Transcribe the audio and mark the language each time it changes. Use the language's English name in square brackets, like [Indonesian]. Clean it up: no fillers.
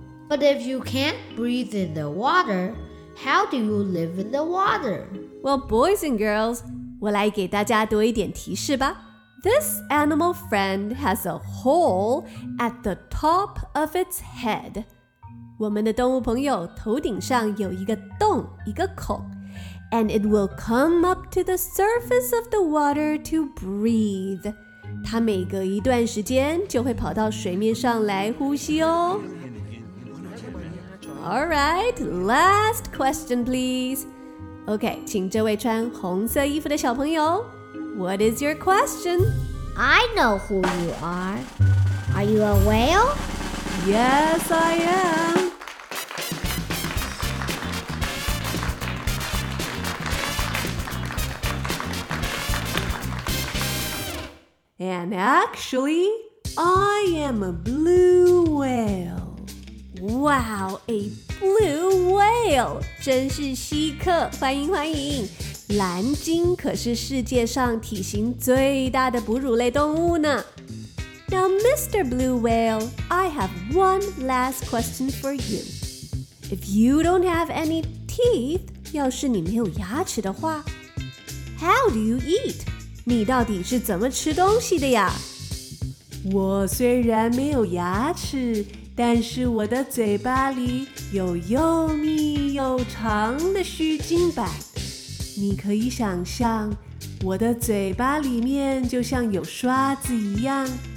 [English] But if you can't breathe in the water, how do you live in the water? Well, boys and girls, [Chinese] 我来给大家多一点提示吧。 [English] This animal friend has a hole at the top of its head. [Chinese] 我们的动物朋友头顶上有一个洞，一个孔 ， [English] and it will come up to the surface of the water to breathe. [Chinese] 它每隔一段时间就会跑到水面上来呼吸哦。 [English] All right, last question, please. Okay, [Chinese] 请这位穿红色衣服的小朋友 [English] What is your question? I know who you are. Are you a whale? Yes, I am. And actually, I am a blue whale. Wow, a blue whale! [Chinese] 真是稀客，欢迎欢迎！蓝鲸可是世界上体型最大的哺乳类动物呢。 [English] Now, Mr. Blue Whale, I have one last question for you. If you don't have any teeth, [Chinese] 要是你没有牙齿的话， [English] how do you eat? [Chinese] 你到底是怎么吃东西的呀？我虽然没有牙齿，但是我的嘴巴里有又密又长的须筋板。你可以想象，我的嘴巴里面就像有刷子一样。